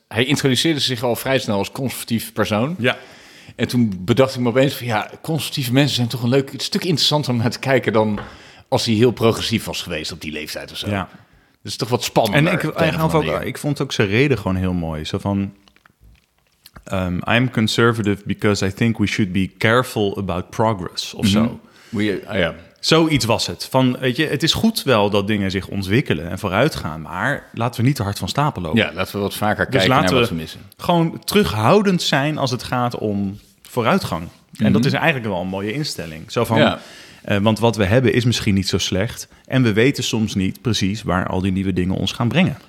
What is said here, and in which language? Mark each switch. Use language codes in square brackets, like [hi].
[nl] Hij introduceerde zich al vrij snel als conservatief persoon. Ja. En toen bedacht ik me opeens van... Ja, conservatieve mensen zijn toch een leuk... Het stuk interessanter om naar te kijken dan... Als hij heel progressief was geweest op die leeftijd of zo. Ja. Dat is toch wat spannender. En ik vond ook zijn reden gewoon heel mooi. Zo van... [en] I'm conservative because I think we should be careful about progress [nl] of zo. Zoiets was het. Van, weet je, het is goed wel dat dingen zich ontwikkelen en vooruit gaan, maar laten we niet te hard van stapel lopen. Ja, laten we wat vaker kijken dus naar wat we missen. Gewoon terughoudend zijn als het gaat om vooruitgang. Mm-hmm. En dat is eigenlijk wel een mooie instelling. Zo van, want wat we hebben is misschien niet zo slecht en we weten soms niet precies waar al die nieuwe dingen ons gaan brengen.